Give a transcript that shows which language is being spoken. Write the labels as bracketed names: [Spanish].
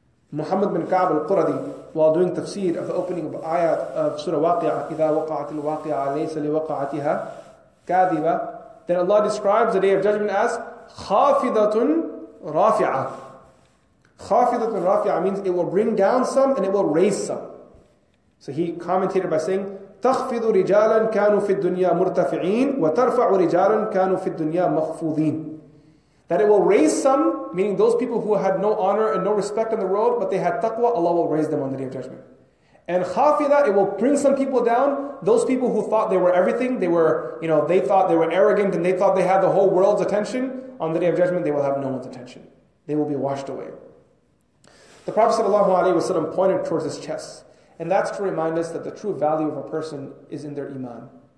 [English] Muhammad bin Ka'b al-Quradi, while doing tafsir of the opening of ayat of Surah Waqi'ah, [Arabic] إِذَا وَقَعَتِ الْوَاقِعَةِ لَيْسَ لِوَقَعَتِهَا كَاذِبَةً, [English] then Allah describes the Day of Judgment as خَافِضَةٌ Rafi'a. Khafidatun Rafi'a means it will bring down some and it will raise some. So he commentated by saying, [Arabic] تَخْفِضُ رِجَالًا كَانُوا فِي الدُّنْيَا مُرْتَفِعِينَ وَتَرْفَعُ رِجَالًا كَانُوا فِي الدُّنْيَا مَخْفُوذِينَ. [English] That it will raise some, meaning those people who had no honor and no respect in the world, but they had taqwa, Allah will raise them on the Day of Judgment. And khafida, it will bring some people down. Those people who thought they were everything, they were, you know, they thought they were arrogant and they thought they had the whole world's attention. On the Day of Judgment, they will have no one's attention. They will be washed away. The Prophet sallallahu alaihi wasallam pointed towards his chest, and that's to remind us that the true value of a person is in their iman.